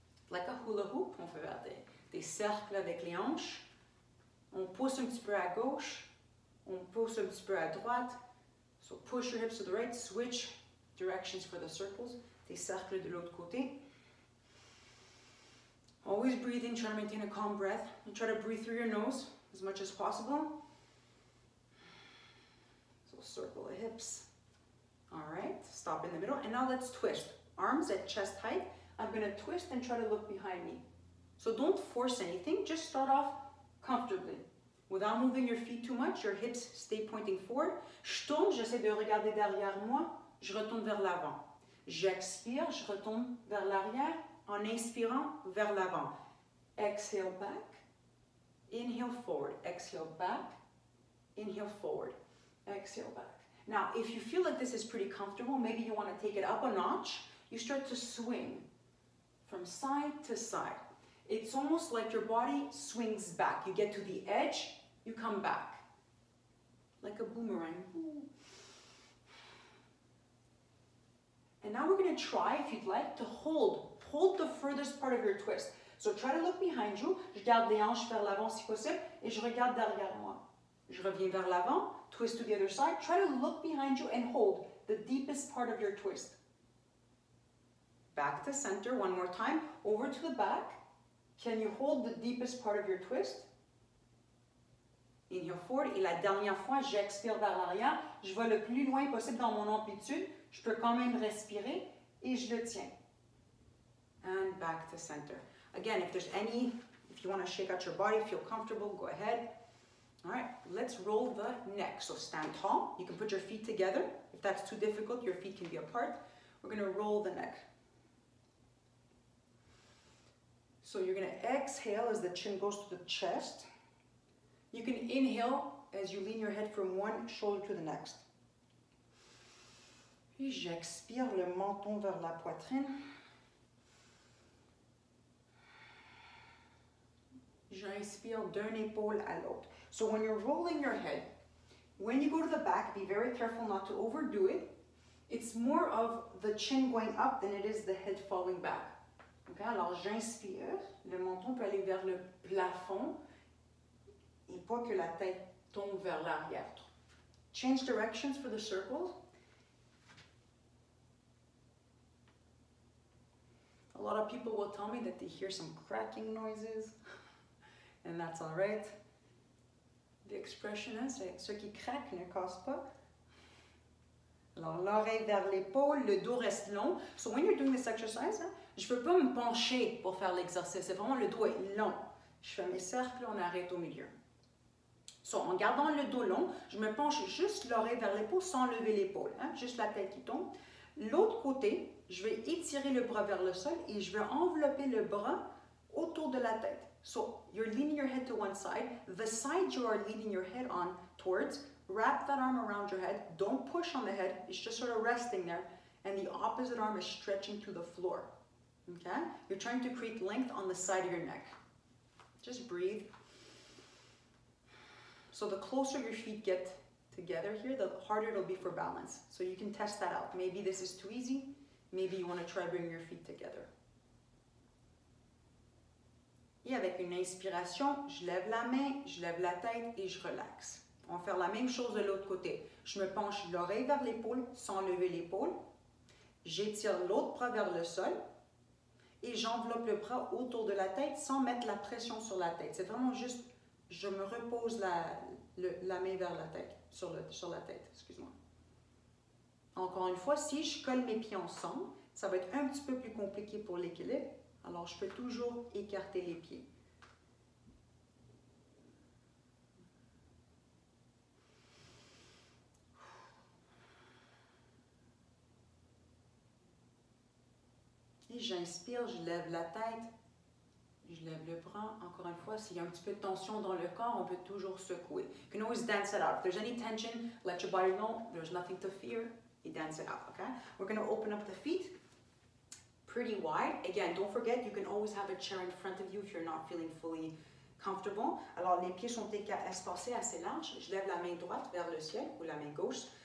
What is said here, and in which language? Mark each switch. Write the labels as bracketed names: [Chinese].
[English] Like a hula hoop, [French] on fait faire des cercles avec les hanches. On pousse un petit peu à gauche. On pousse un petit peu à droite. [English] So push your hips to the right, switch directions for the circles, [French] des cercles de l'autre côté. [English] Always breathing, try to maintain a calm breath. And try to breathe through your nose as much as possible. So circle the hips. All right, stop in the middle. And now let's twist. Arms at chest height. I'm gonna twist and try to look behind me. So don't force anything, just start off comfortably. Without moving your feet too much, your hips stay pointing forward. [French] Je tourne, j'essaie de regarder derrière moi, je retourne vers l'avant. J'expire, je retourne vers l'arrière, en inspirant vers l'avant. [English] Exhale back, inhale forward, exhale back, inhale forward, exhale back. Now, if you feel like this is pretty comfortable, maybe you want to take it up a notch, you start to swing from side to side. It's almost like your body swings back. You get to the edge, you come back. Like a boomerang. And now we're gonna try, if you'd like, to hold. Hold the furthest part of your twist. So try to look behind you. [French] Je garde les hanches vers l'avant si possible, et je regarde derrière moi. Je reviens vers l'avant, [English] twist to the other side. Try to look behind you and hold the deepest part of your twist. Back to center, one more time. Over to the back. Can you hold the deepest part of your twist? Inhale forward. [French] Et la dernière fois, j'expire vers l'arrière. Je vais le plus loin possible dans mon amplitude. Je peux quand même respirer et je le tiens. [English] And back to center. Again, if there's any, if you want to shake out your body, feel comfortable, go ahead. All right, let's roll the neck. So stand tall. You can put your feet together. If that's too difficult, your feet can be apart. We're going to roll the neck. So you're gonna exhale as the chin goes to the chest. You can inhale as you lean your head from one shoulder to the next. [French] Puis j'expire le menton vers la poitrine. J'inspire d'un épaule à l'autre. [English] So when you're rolling your head, when you go to the back, be very careful not to overdo it. It's more of the chin going up than it is the head falling back. [French] Ok, alors j'inspire, le menton peut aller vers le plafond et pas que la tête tombe vers l'arrière. [English] Change directions for the circles. A lot of people will tell me that they hear some cracking noises, and that's all right. The expression is, [French] ce qui craque ne casse pas. Alors l'oreille vers l'épaule, le dos reste long. [English] So when you're doing this exercise, [French] je ne peux pas me pencher pour faire l'exercice. C'est vraiment le dos est long. Je fais mes cercles, on arrête au milieu. So, en gardant le dos long, je me penche juste l'oreille vers l'épaule sans lever l'épaule. Hein? Juste la tête qui tombe. L'autre côté, je vais étirer le bras vers le sol et je vais envelopper le bras autour de la tête. [English] So, you're leaning your head to one side. The side you are leaning your head on towards, wrap that arm around your head. Don't push on the head. It's just sort of resting there. And the opposite arm is stretching to the floor. Okay, you're trying to create length on the side of your neck. Just breathe. So the closer your feet get together here, the harder it'll be for balance. So you can test that out. Maybe this is too easy. Maybe you want to try bringing your feet together. [French] Et avec une inspiration, je lève la main, je lève la tête et je relaxe. On va faire la même chose de l'autre côté. Je me penche l'oreille vers l'épaule sans lever l'épaule. J'étire l'autre bras vers le sol. Et j'enveloppe le bras autour de la tête sans mettre la pression sur la tête. C'est vraiment juste, je me repose la main vers la tête, sur la tête, excuse-moi. Encore une fois, si je colle mes pieds ensemble, ça va être un petit peu plus compliqué pour l'équilibre. Alors, je peux toujours écarter les pieds. J'inspire, je lève la tête, je lève le bras. Encore une fois, s'il y a un petit peu de tension dans le corps, on peut toujours secouer. [English] You can always dance it out. If there's any tension, let your body know. There's nothing to fear. You dance it out, okay? We're going to open up the feet pretty wide. Again, don't forget, you can always have a chair in front of you if you're not feeling fully comfortable. [French] Alors, les pieds sont espacés assez larges. Je lève la main droite vers le ciel ou la main gauche.